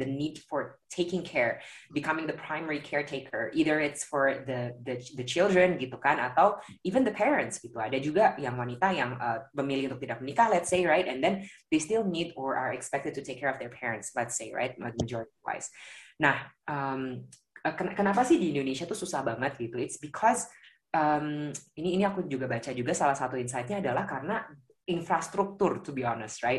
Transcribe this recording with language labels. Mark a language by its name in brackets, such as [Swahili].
[English] The need for taking care, becoming the primary caretaker. Either it's for the children, gitu kan, atau even the parents, gitu. [Indonesian] Ada juga yang wanita yang memilih untuk tidak menikah, [English] let's say, right? And then they still need or are expected to take care of their parents, let's say, right? [Indonesian] Majority-wise. Nah, kenapa sih di Indonesia tuh susah banget, gitu? [English] It's because, [Indonesian] ini aku juga baca juga, salah satu insight-nya adalah karena infrastruktur, [English] to be honest, right?